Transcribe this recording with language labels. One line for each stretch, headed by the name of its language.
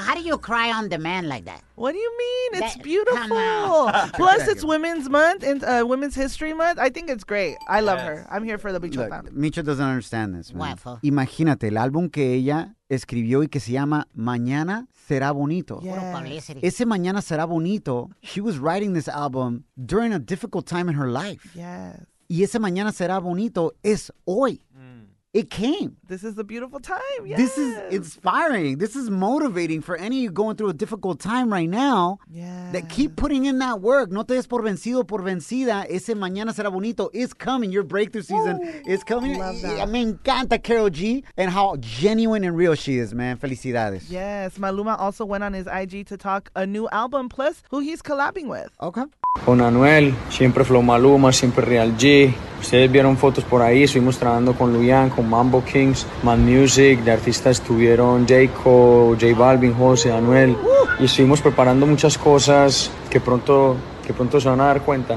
English: How do you cry on demand like that? What do you mean? It's beautiful. Plus, it's Women's Month and Women's History Month. I think it's great. I love her. I'm here for the Micho fam. Micho doesn't understand this, man. Waffle.
Spanish: Imagínate el álbum que ella escribió y que se llama Mañana Será Bonito.
English: Yes. Ese Mañana Será Bonito, she was writing this album during a difficult time in her life. Yes.
Spanish: Y ese mañana será bonito es hoy.
English: It came. This is a beautiful time. Yes. This is inspiring. This is motivating for any of you going through a difficult time right now. Yeah. That keep putting in that work.
Spanish: No te des por vencido, por vencida. Ese mañana será bonito.
English: It's coming. Your breakthrough season is coming. Love that.
Spanish: Me encanta
English: Carol G and how genuine and real she is, man.
Spanish: Felicidades.
English: Yes. Maluma also went on his IG to talk a new album plus who he's collabing with. Okay.
Spanish: Con Anuel, siempre Flow Maluma, siempre Real G. Ustedes vieron fotos por ahí, estuvimos trabajando con Luyan, con Mambo Kings, Man Music, de artistas estuvieron Jayco, J Balvin, José, Anuel. Y estuvimos preparando muchas cosas que pronto se van a dar cuenta.